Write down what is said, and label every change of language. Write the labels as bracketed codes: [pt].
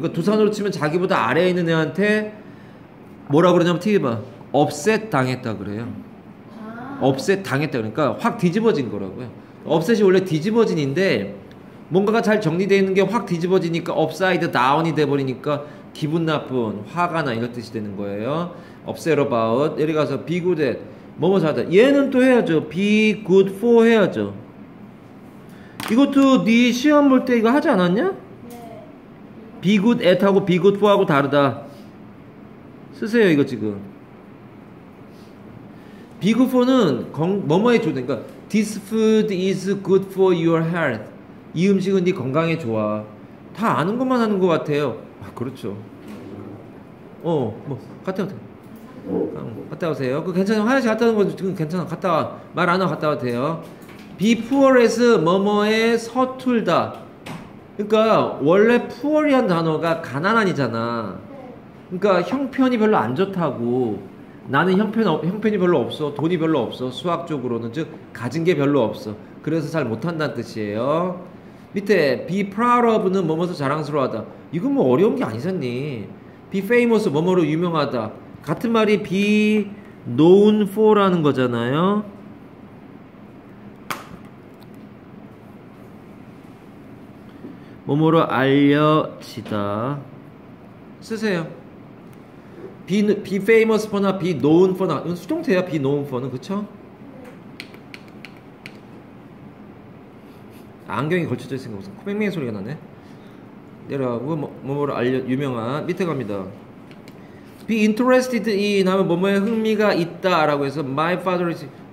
[ko] 그러니까 두산으로 치면 자기보다 아래에 있는 애한테 뭐라 그러냐면 TV 봐. 업셋 당했다 그래요. 업셋 당했다 그러니까 확 뒤집어진 거라고요. 업셋이 원래 뒤집어진인데 뭔가가 잘 정리되어 있는 게 확 뒤집어지니까 업사이드 다운이 돼버리니까 기분 나쁜 화가 나 이런 뜻이 되는 거예요. [en] upset about. [ko] 여기 가서 [en] be good at. [ko] 뭐뭐 잘하다. 얘는 또 해야죠. [en] be good for 해야죠. [ko] 이것도 네 시험 볼 때 이거 하지 않았냐? 네. [en] be good at [ko] 하고 [en] be good for [ko] 하고 다르다. 쓰세요 이거 지금. be good for는 뭐뭐에 좋다. [en] 그러니까 this food is good for your health. [ko] 이 음식은 네 건강에 좋아. 다 아는 것만 하는 것 같아요. 아, 그렇죠. 어, 뭐, 갔다 오세요. 갔다 오세요. 그 괜찮아요. 화장실 갔다 오는 거 지금 괜찮아. 갔다 와. 말 안 하고 갔다 와도 돼요. [en] be poor as [ko] 뭐뭐에 서툴다. 그러니까 원래 poor이란 단어가 가난한이잖아. 그러니까 형편이 별로 안 좋다고. 나는 형편이 별로 없어. 돈이 별로 없어. 수학적으로는. 즉 가진 게 별로 없어. 그래서 잘 못한다는 뜻이에요. 밑에 be proud of는 뭐뭐서 자랑스러워하다. 이건 뭐 어려운 게 아니잖니. be famous 뭐뭐로 유명하다. 같은 말이 be known for라는 거잖아요. 뭐뭐로 알려지다. 쓰세요. be famous for나 be known for나 이건 수동태야. be known for는 그쵸? 안경이 걸쳐져 있으니까 무슨 코맹맹이 소리가 나네. 내려가고 뭐뭐로 알려 유명한 밑에 갑니다. be interested in 하면 뭐뭐에 흥미가 있다 라고 해서 [en] my father is.